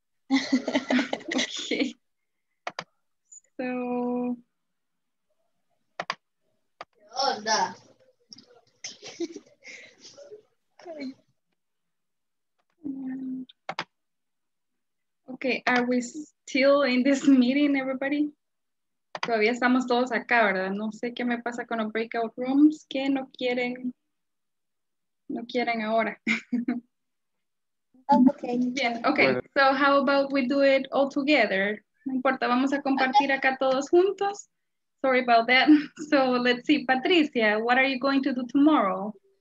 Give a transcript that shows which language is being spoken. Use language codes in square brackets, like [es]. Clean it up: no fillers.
[en] Okay, so okay, are we still in this meeting, everybody? [es] Todavía estamos todos acá, ¿verdad? No sé qué me pasa con los breakout rooms que no quieren ahora. [en] Okay. [es] Bien. Okay. [en] So how about we do it all together? [es] No importa, vamos a compartir acá todos juntos. [en] Sorry about that. So let's see, Patricia, what are you going to do tomorrow?